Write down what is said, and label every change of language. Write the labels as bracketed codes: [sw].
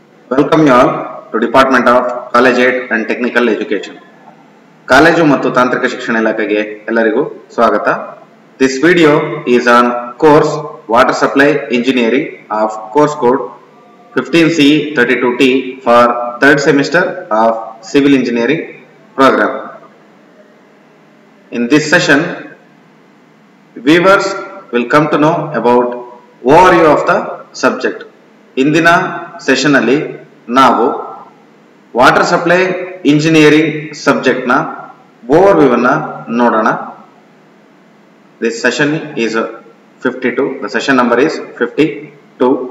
[en] Welcome you all to Department of College Aid and Technical Education. [kn] College ಮತ್ತು ತಾಂತ್ರಿಕ ಶಿಕ್ಷಣ ಇಲಾಖೆಗೆ ಎಲ್ಲರಿಗೂ ಸ್ವಾಗತ. [en] This video is on course Water Supply Engineering of course code 15CE32T for third semester of Civil Engineering program. In this session, viewers will come to know about overview of the subject. [kn] ಇಂದಿನ ಸೆಷನ್ನಲ್ಲಿ ನಾವು water supply engineering ಸಬ್ಜೆಕ್ಟ್ನ over ವ್ಯೂವನ್ನು ನೋಡೋಣ. [en] This session is 52, the session number is 52.